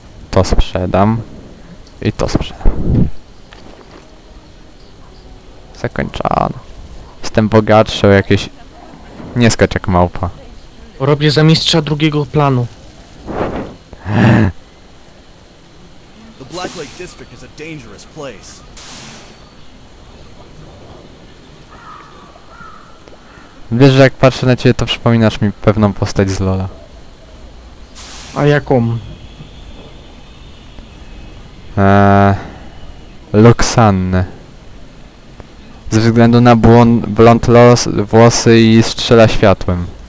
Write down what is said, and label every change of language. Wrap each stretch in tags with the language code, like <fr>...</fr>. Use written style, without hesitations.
<pl>To sprzedam. I to sprzedam. Zakończone. Jestem bogatszy o jakieś... Nie skacz jak małpa. Robię za mistrza drugiego planu.</pl> <en>The Black Lake District is a dangerous place.</en> <pl>Wiesz, że jak patrzę na ciebie, to przypominasz mi pewną postać z LoL'a. A jaką? Luxanne. Ze względu na blond włosy i strzela światłem.</pl>